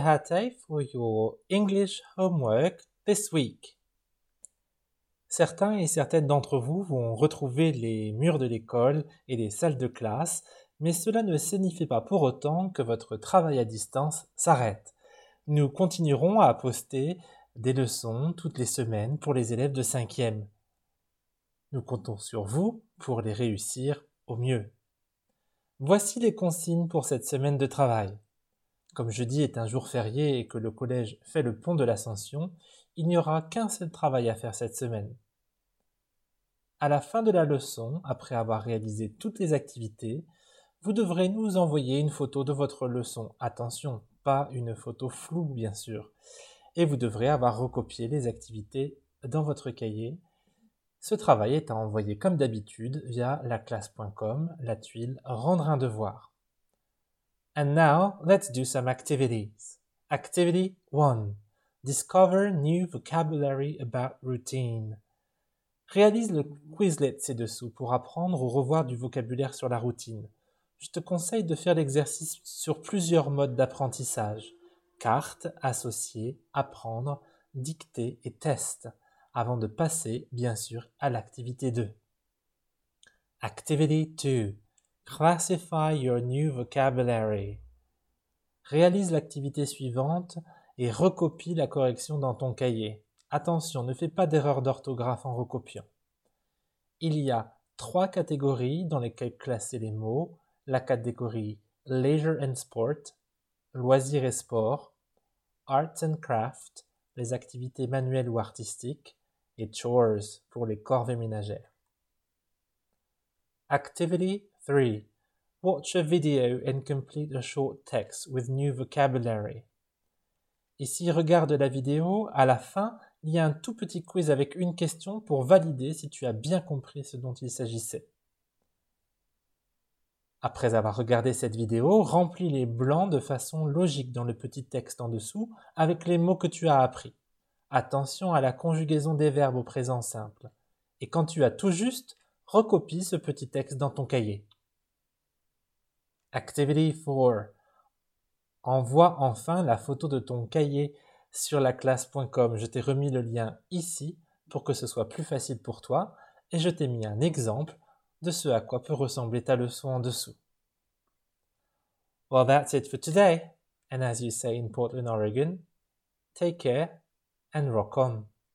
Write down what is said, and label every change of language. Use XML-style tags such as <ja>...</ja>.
<en>Hatte for your English homework this week.</en> <fr>Certains et certaines d'entre vous vont retrouver les murs de l'école et des salles de classe, mais cela ne signifie pas pour autant que votre travail à distance s'arrête. Nous continuerons à poster des leçons toutes les semaines pour les élèves de 5e. Nous comptons sur vous pour les réussir au mieux. Voici les consignes pour cette semaine de travail. Comme jeudi est un jour férié et que le collège fait le pont de l'Ascension, il n'y aura qu'un seul travail à faire cette semaine. À la fin de la leçon, après avoir réalisé toutes les activités, vous devrez nous envoyer une photo de votre leçon. Attention, pas une photo floue, bien sûr. Et vous devrez avoir recopié les activités dans votre cahier. Ce travail est à envoyer comme d'habitude via laclasse.com, la tuile Rendre un devoir.</fr> <en>And now, let's do some activities. Activity 1. Discover new vocabulary about routine.</en> <fr>Réalise le Quizlet ci-dessous pour apprendre ou revoir du vocabulaire sur la routine. Je te conseille de faire l'exercice sur plusieurs modes d'apprentissage. Carte, associer, apprendre, dictée et test. Avant de passer, bien sûr, à l'activité 2.</fr> <en>Activity 2. Classify your new vocabulary.</en> <fr>Réalise l'activité suivante et recopie la correction dans ton cahier. Attention, ne fais pas d'erreur d'orthographe en recopiant. Il y a trois catégories dans lesquelles classer les mots. La catégorie Leisure and Sport, Loisirs et Sport, Arts and Craft, les activités manuelles ou artistiques, et chores pour les corvées ménagères.</fr> <en>Activity 3. Watch a video and complete a short text with new vocabulary.</en> <fr>Ici, regarde la vidéo. À la fin, il y a un tout petit quiz avec une question pour valider si tu as bien compris ce dont il s'agissait. Après avoir regardé cette vidéo, remplis les blancs de façon logique dans le petit texte en dessous avec les mots que tu as appris. Attention à la conjugaison des verbes au présent simple. Et quand tu as tout juste, recopie ce petit texte dans ton cahier.</fr> <en>Activity 4.</en> <fr>Envoie enfin la photo de ton cahier sur laclasse.com. Je t'ai remis le lien ici pour que ce soit plus facile pour toi et je t'ai mis un exemple de ce à quoi peut ressembler ta leçon en dessous.</fr> <en>Well, that's it for today. And as you say in Portland, Oregon, take care. And rock on.</en>